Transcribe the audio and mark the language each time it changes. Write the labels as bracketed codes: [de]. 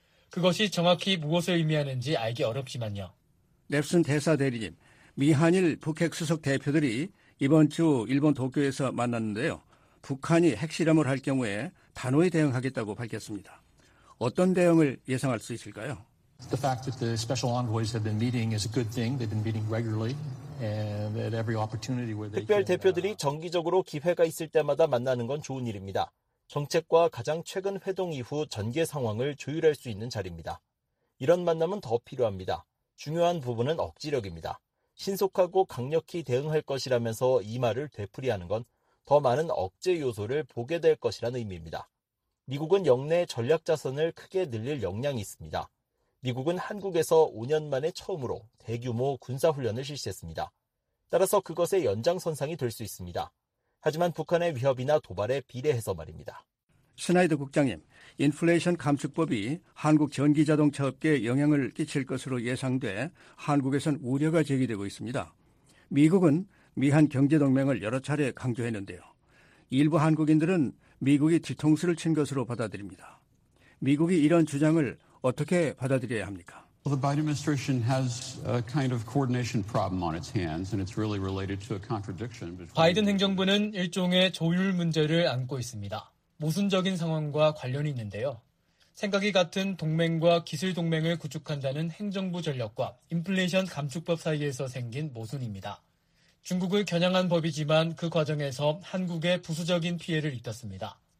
[ko] 그것이 정확히 무엇을 의미하는지 알기 어렵지만요. 랩슨 대사 대리님, 미한일 북핵수석 대표들이 이번 주 일본 도쿄에서 만났는데요. 북한이 핵실험을 할 경우에 단호히 대응하겠다고 밝혔습니다. 어떤 대응을 예상할 수 있을까요? [en] The fact that the special envoys have been meeting is a good thing. They've been meeting regularly. [ko] 특별 대표들이 정기적으로 기회가 있을 때마다 만나는 건 좋은 일입니다. 정책과 가장 최근 회동 이후 전개 상황을 조율할 수 있는 자리입니다. 이런 만남은 더 필요합니다. 중요한 부분은 억지력입니다. 신속하고 강력히 대응할 것이라면서 이 말을 되풀이하는 건 더 많은 억제 요소를 보게 될 것이라는 의미입니다. 미국은 역내 전략 자산을 크게 늘릴 역량이 있습니다. 미국은 한국에서 5년 만에 처음으로 대규모 군사훈련을 실시했습니다. 따라서 그것의 연장선상이 될 수 있습니다. 하지만 북한의 위협이나 도발에 비례해서 말입니다. 슈나이더 국장님, 인플레이션 감축법이 한국 전기자동차 업계에 영향을 끼칠 것으로 예상돼 한국에선 우려가 제기되고 있습니다. 미국은 미한 경제동맹을 여러 차례 강조했는데요. 일부 한국인들은 미국이 뒤통수를 친 것으로 받아들입니다. 미국이 이런 주장을 어떻게 받아들여야 합니까? [en] Well, the Biden administration has a kind of coordination problem on its hands, and it's really related to a contradiction. [ko] 바이든 행정부는 일종의 조율 문제를 안고 있습니다. 모순적인 상황과 관련이 있는데요. 생각이 같은 동맹과 기술 동맹을 구축한다는 행정부 전략과 인플레이션 감축법 사이에서 생긴 모순입니다. 중국을 겨냥한 법이지만 그 과정에서 한국의 부수적인 피해를 입었습니다.